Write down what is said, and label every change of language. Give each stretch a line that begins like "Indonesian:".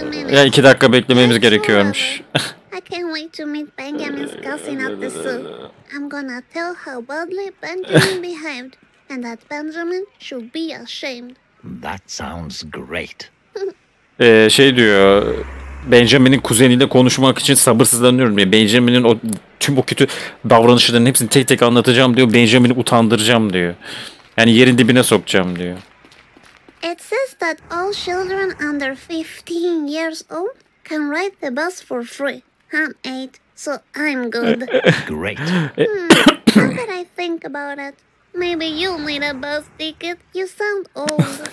Turkish: Ya iki dakika beklememiz gerekiyormuş.
English: I can't wait to meet Benjamin's cousin at the zoo. I'm gonna tell how badly Benjamin behaved. And that Benjamin should be ashamed. That sounds great.
Turkish: Şey diyor, Benjamin'in kuzeniyle konuşmak için sabırsızlanıyorum diyor. Benjamin'in o tüm o kötü davranışlarının hepsini tek tek anlatacağım diyor. Benjamin'i utandıracağım diyor. Yani yerin dibine sokacağım diyor.
English: It says that all children under 15 years old can ride the bus for free. I'm 8, so I'm good. Great. How did I think about it? Maybe you need a bus ticket. You sound old.